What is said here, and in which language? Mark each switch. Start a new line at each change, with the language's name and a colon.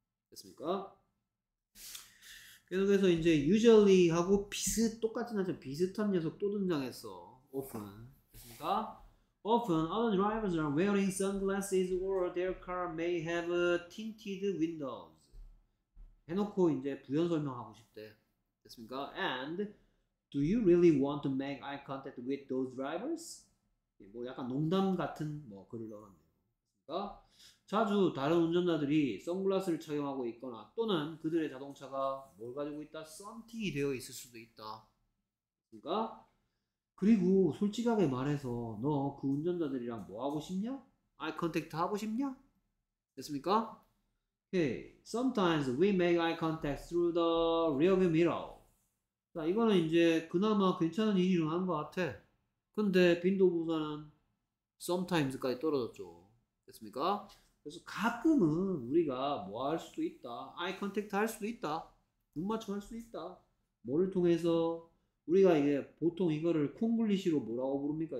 Korean: 됐습니까? 계속해서 이제 usually 하고 똑같진 않지만 비슷한 녀석 또 등장했어. often. 됐습니까?
English: often, other drivers are wearing sunglasses or their car may have tinted windows.
Korean: 해놓고 이제 부연 설명하고 싶대. 됐습니까?
English: And do you really want to make eye contact with those drivers?
Korean: 뭐 약간 농담 같은 뭐 글을 넣었네요. 됐습니까? 자주 다른 운전자들이 선글라스를 착용하고 있거나 또는 그들의 자동차가 뭘 가지고 있다? 썬팅이 되어 있을 수도 있다. 그러니까 그리고 솔직하게 말해서 너그 운전자들이랑 뭐 하고 싶냐? 아이 컨택트 하고 싶냐? 됐습니까?
English: Hey, sometimes we make eye contact through the rearview mirror.
Korean: 자, 이거는 이제 그나마 괜찮은 일이 일어난 것 같아. 근데 빈도 분산은 sometimes까지 떨어졌죠. 됐습니까? 그래서 가끔은 우리가 뭐할 수도 있다. 아이 컨택트 할 수도 있다. 눈 맞춰 할 수도 있다. 뭐를 통해서 우리가 이게 보통 이거를 콩글리시로 뭐라고 부릅니까?